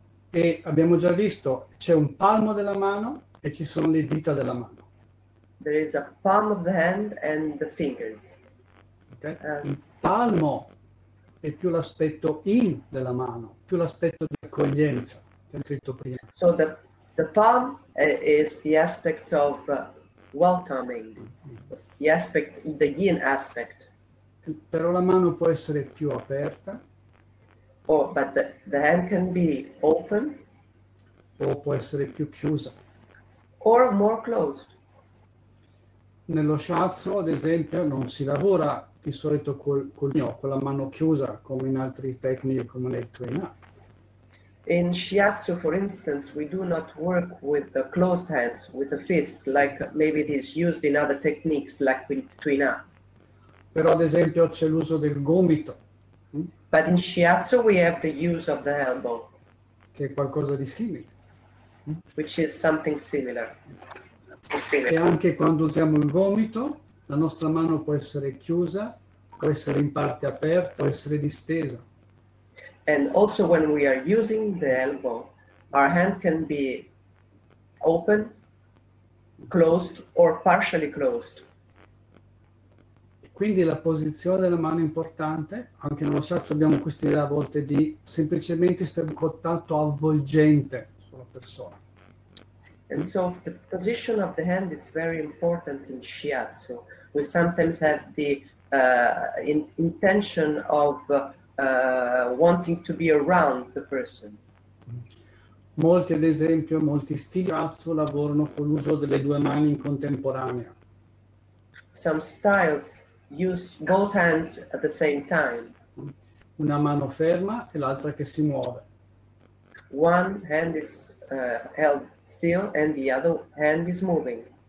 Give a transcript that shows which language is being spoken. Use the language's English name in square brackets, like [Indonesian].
[Italian] E abbiamo già visto, c'è un palmo della mano e ci sono le dita della mano. [English] There is a palm of the hand and the fingers. Okay. [Italian] Il palmo è più l'aspetto in della mano, più l'aspetto di accoglienza, che ho scritto prima. [English] So the palm is the aspect of welcoming, the aspect, the yin aspect. [Italian] Però la mano può essere più aperta. [English] Oh, but the hand can be open. [Italian] O può essere più chiusa. [English] Or more closed. [Italian] Nello shiatsu, ad esempio, non si lavora di solito con la mano chiusa, come in altre tecniche, come nel tuo in. [English] In shiatsu, for instance, we do not work with the closed hands, with the fist, like maybe it is used in other techniques, like with tuina. [Italian] Però, ad esempio, c'è l'uso del gomito. [English] But in shiatsu we have the use of the elbow. [Italian] Che è qualcosa di simile. [English] Which is something similar. [Italian] E anche quando usiamo il gomito, la nostra mano può essere chiusa, può essere in parte aperta, può essere distesa. [English] And also when we are using the elbow, our hand can be open, closed, or partially closed. [Italian] Quindi la posizione della mano è importante, anche nello shiatsu abbiamo questa idea a volte di semplicemente stare in contatto avvolgente sulla persona. [English] And so the position of the hand is very important in shiatsu. We sometimes have the intention of wanting to be around the person. [Italian] Molti, ad esempio, molti stili shiatsu lavorano con l'uso delle due mani in contemporanea. [English] Some styles use both hands at the same time. [Italian] Una mano ferma e l'altra che si muove. [English] One hand is held still and the other hand is moving.